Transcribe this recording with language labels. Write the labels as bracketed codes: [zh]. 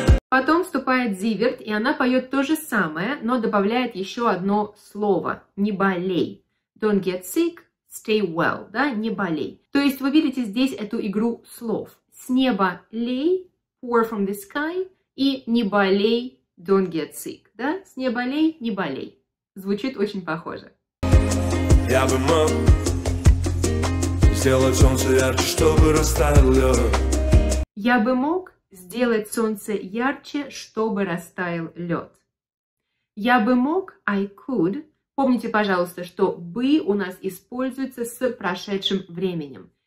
[ru] Потом вступает Зиверт, и она поет то же самое, но добавляет еще одно слово. Не болей. [en] Don't get sick, stay well. [ru] Да? Не болей. То есть вы видите здесь эту игру слов. С неба лей, [en] pour from the sky, [ru] и не болей, [en] don't get sick. [ru] Да? С неба лей, не болей. Звучит очень похоже. Я бы мог сделать солнце ярче, чтобы растаял лед. Я бы мог сделать солнце ярче, чтобы растаял лед. Я бы мог, [en] I could. [ru] Помните, пожалуйста, что бы у нас используется с прошедшим временем.